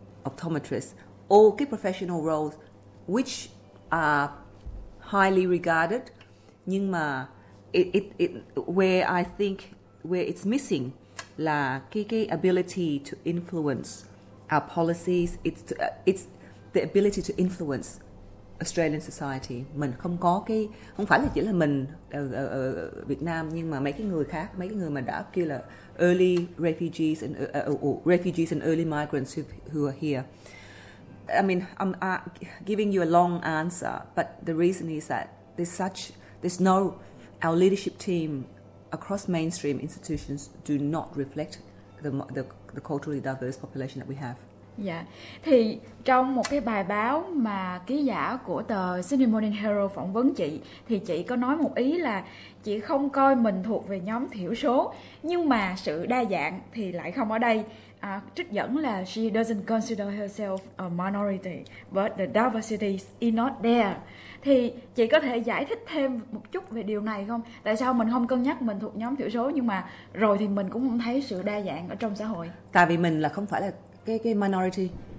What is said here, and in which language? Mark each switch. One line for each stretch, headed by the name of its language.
English: optometrist, all cái professional roles which are highly regarded,
Vietnamese: nhưng mà
English: where it's missing là cái ability to influence our policies, it's the ability to influence Australian society.
Vietnamese: Mình không có cái, không phải là chỉ là mình ở Việt Nam, nhưng mà mấy cái người mà đã kêu là
English: early refugees and refugees and early migrants who are here. I mean, I'm giving you a long answer, but the reason is that there's no our leadership team across mainstream institutions do not reflect the culturally diverse population that we have.
Vietnamese: Dạ, thì trong một cái bài báo mà ký giả của tờ Sydney Morning Herald phỏng vấn chị thì chị có nói một ý là chị không coi mình thuộc về nhóm thiểu số, nhưng mà sự đa dạng thì lại không ở đây. Trích dẫn là
English: she doesn't consider herself a minority, but the diversity is not there.
Vietnamese: Thì chị có thể giải thích thêm một chút về điều này không? Tại sao mình không cân nhắc mình thuộc nhóm thiểu số nhưng mà rồi thì mình cũng không thấy sự đa dạng ở trong xã hội? Tại vì mình là không phải là cái minority.